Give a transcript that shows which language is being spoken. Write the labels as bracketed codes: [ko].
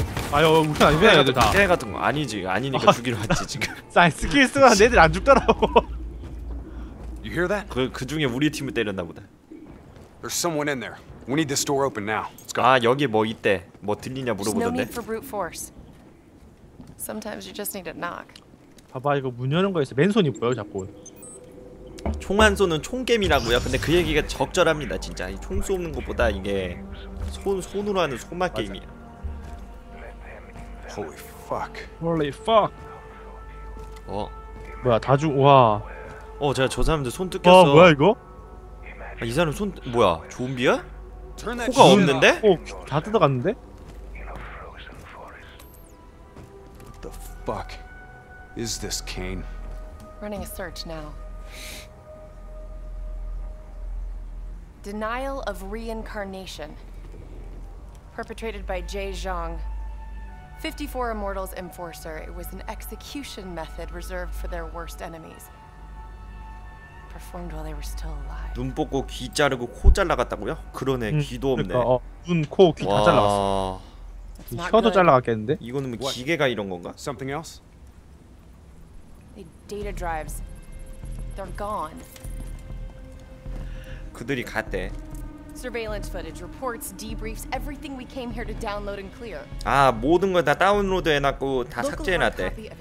[ko] 아유 무슨 안 되는 애들 다. 깨 같은 거 아니지 아니니까 죽이러 왔지 지금. 아니 스킬 쓰고 한 애들 안 죽더라고. [en] You hear that? [ko] 그 중에 우리 팀을 때렸나 보다. [en] There's someone in there. We need this door open now. Let's go. [ko] 아 여기 뭐 있대? 뭐 들리냐 물어보던데. [en] No need for brute force. Sometimes you just need a knock. [ko] 봐봐 이거 문 여는 거에서 맨손이 보여 자꾸. 총 한 손은 총겜이라고요. 근데 그 얘기가 적절합니다 진짜. 이 총 쏘는 것보다 이게 손으로 하는 소막 게임이야. [en] Holy fuck. Holy fuck. [ko] 어 뭐야 다 죽 와. 어 제가 저 사람들 손 뜯겼어. 아 뭐야 이거? 아, 이 사람 손 뭐야 좀비야? 코가 없는데? 어 다 뜯어갔는데? [en] What the fuck is this, Kane? Running a search now. Denial of reincarnation, perpetrated by Jay Zhang. 54 Immortals Enforcer. It was an execution method reserved for their worst enemies. Performed while they were still alive. [ko] 눈 뽑고 귀 자르고 코 잘라갔다고요? 그러네, 귀도 없네. 그러니까, 어, 눈, 코, 귀 다 잘라갔어. 혀도 잘라갔겠는데? 이거는 뭐 기계가 이런 건가? [en] Something else? The data drives. They're gone. [ko] 그들이 갔대. [en] Surveillance footage, reports, debriefs, everything we came here to download and clear. [ko] 아, 모든 걸 다 다운로드 해놨고 다 삭제해놨대.